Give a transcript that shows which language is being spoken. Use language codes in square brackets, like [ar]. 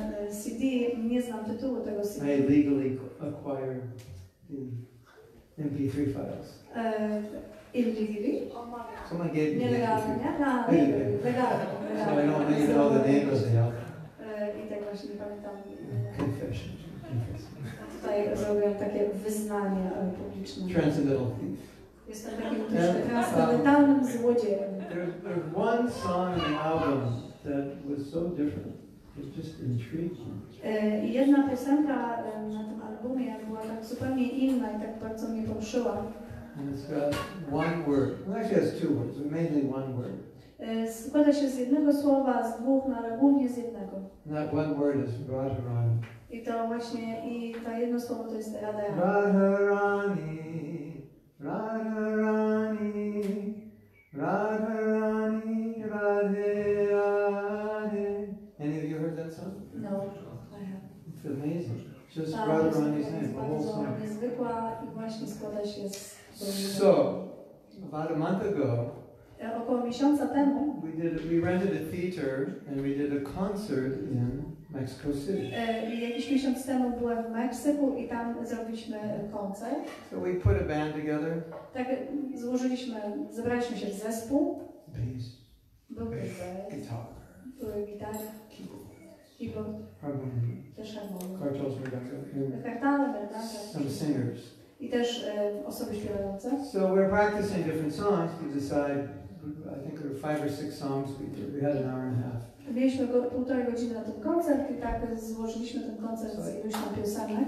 [pl] CD, nie znam tytułu tego CD. [en] I legally acquired the MP3 files. Illegally? Someone gave me the MP3. So I don't even know the name of the album. [pl] I tak właśnie nie pamiętam. [en] Confession. [pl] Tutaj zrobię takie wyznanie publiczne. [en] Transcendental thief. There's one song in the album that was so different. It's just intriguing. [pl] Jedna piosenka na tym albumie była tak zupełnie inna i tak bardzo mnie poruszyła. [en] And it's got one word. Well, actually, it has two words, but mainly one word. [pl] Składa się z jednego słowa, z dwóch, na ogólnie z jednego. [en] And that one word is Radharani. [pl] I to właśnie, i to jedno słowo to jest Radharani. [en] Radharani. Radharani, Radharani, Radhe, Radhe. Any of you heard that song? No, I haven't. It's amazing. Just Radharani's name, the whole song. So, about a month ago, we rented a theater and we did a concert in Mexico City. [pl] Jakiś miesiąc temu byłem w Meksyku i tam zrobiliśmy koncert. [en] So we put a band together. [pl] Tak, zebraliśmy się w zespół. [en] Bass. Bass. Guitar. [pl] Były gitary. Keyboard. Też harmonia. [en] Cartels, Rebecca. [pl] Kartale, Rebecca. [en] Some singers. [pl] I też osoby śpiewające. [en] So we're practicing different songs. We decide, I think there were 5 or 6 songs we did. We had an hour and a half. [pl] Mieliśmy półtorej godziny na ten koncert i tak złożyliśmy ten koncert z iluś tam piosenek.